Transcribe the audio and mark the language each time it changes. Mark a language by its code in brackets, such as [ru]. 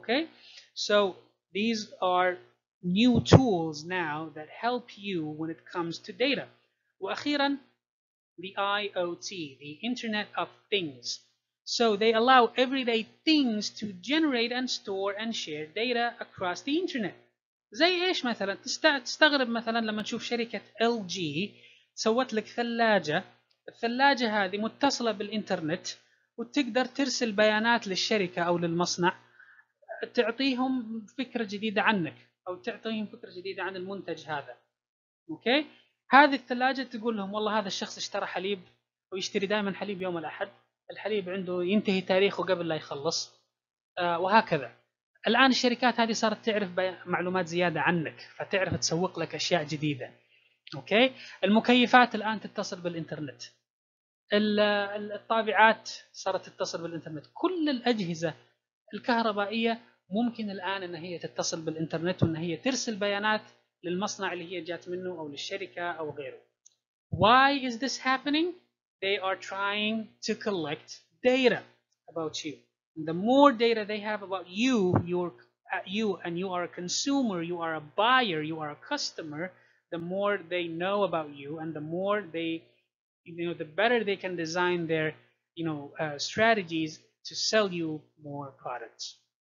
[en] Okay? So these are new tools now that help you when it comes to data. [ar] وأخيرا [en] the IoT, the Internet of Things. So they allow everyday things to generate and store and share data across the internet. [ar] زي إيش مثلاً؟ تستغرب مثلاً لما تشوف شركة LG سوت لك ثلاجة. الثلاجة هذه متصلة بالإنترنت وتقدر ترسل بيانات للشركة أو للمصنع تعطيهم فكرة جديدة عنك أو تعطيهم فكرة جديدة عن المنتج هذا. Okay؟ هذه الثلاجة تقول لهم والله هذا الشخص اشترى حليب ويشتري دائماً حليب يوم الأحد. الحليب عنده ينتهي تاريخه قبل لا يخلص وهكذا. الآن الشركات هذه صارت تعرف معلومات زيادة عنك فتعرف تسوق لك أشياء جديدة. أوكي؟ المكيفات الآن تتصل بالإنترنت، الطابعات صارت تتصل بالإنترنت، كل الأجهزة الكهربائية ممكن الآن أن هي تتصل بالإنترنت وأن هي ترسل بيانات للمصنع اللي هي جات منه أو للشركة أو غيره. [en] Why is this happening? They are trying to collect data about you. And the more data they have about you, you and you are a consumer, you are a buyer, you are a customer, the more they know about you and the more they, you know, the better they can design their, you know, strategies to sell you more products.